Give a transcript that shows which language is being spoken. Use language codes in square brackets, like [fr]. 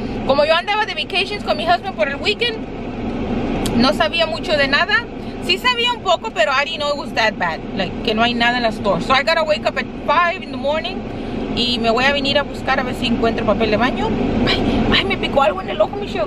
[es] Como yo andaba de [en] vacations [es] con mi [en] husband [es] por el [en] weekend, [es] no sabía mucho de nada. Sí sabía un poco, pero [en] I didn't know it was that bad. Like, [es] que no hay nada en la [en] store. So I gotta wake up at 5 in the morning [es] y me voy a venir a buscar a ver si encuentro papel de baño. Ay, me picó algo en el ojo, Michelle.